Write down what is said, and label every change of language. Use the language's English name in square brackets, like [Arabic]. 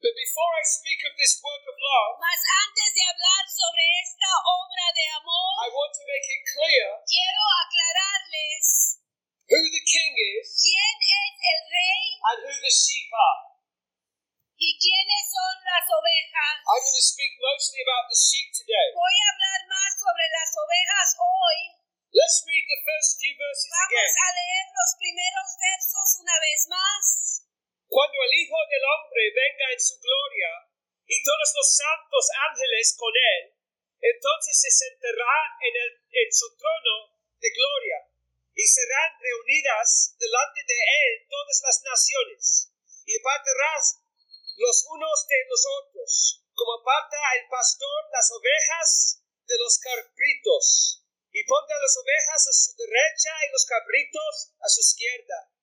[English] But before I speak of this work of love, [Spanish] mas antes de hablar sobre esta obra de amor, [English] I want to make it clear, [Spanish] quiero aclararles, [English] who the king is, [Spanish] quién es el rey, [English] and who the sheep are. [Spanish] ¿Y quiénes son las ovejas? [English] I'm going to speak mostly about the sheep today. [Spanish] Voy a hablar más sobre las ovejas hoy. [English] Let's read the first few verses [Spanish] Vamos [English] again. [Spanish] Vamos a leer los primeros versos una vez más. Cuando el Hijo del Hombre venga en su gloria, y todos los santos ángeles con él, entonces se sentará en su trono de gloria, y serán reunidas delante de él todas las naciones, y apartará los unos de los otros, como aparta el pastor las ovejas de los cabritos, y ponga las ovejas a su derecha y los cabritos a su izquierda.